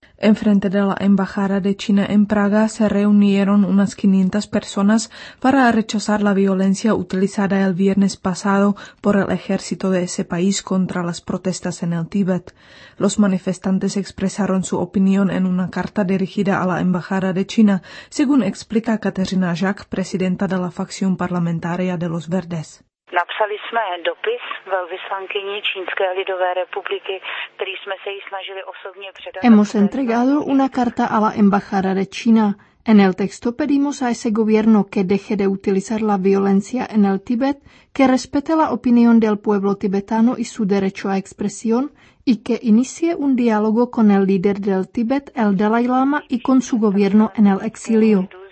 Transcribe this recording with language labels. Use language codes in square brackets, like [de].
[es] Enfrente de la Embajada de China en Praga se reunieron unas 500 personas para rechazar la violencia utilizada el viernes pasado por el ejército de ese país contra las protestas en el Tíbet. Los manifestantes expresaron su opinión en una carta dirigida a la Embajada de China, según explica Katerina Jack, presidenta de la facción parlamentaria de los Verdes. [cs] Napsali jsme dopis velvyslankyni Čínské lidové republiky, který jsme se jí snažili osobně předat. [es] Hemos entregado una carta a la embajada de China. En el texto pedimos a ese gobierno que deje de utilizar la violencia en el Tíbet, que respete la opinión del pueblo tibetano y su derecho a expresión, y que inicie un diálogo con el líder del Tíbet, el Dalai Lama, y con su gobierno en el exilio.